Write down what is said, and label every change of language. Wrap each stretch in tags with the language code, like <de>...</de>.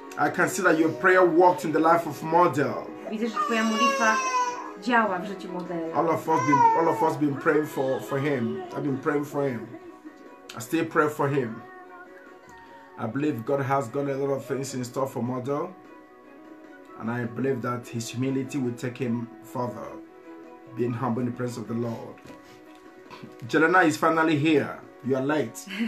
<en>I can see that your prayer worked in the life of model.</en> <pl>Widzę, że twoja modlitwa działa w życiu modela.</pl> <en>All of us been praying for him. I've been praying for him. I still pray for him. I believe God has got a lot of things in store for model. And I believe that his humility will take him further. Being humble in the presence of the Lord. Jelena is finally here. You are late.</en>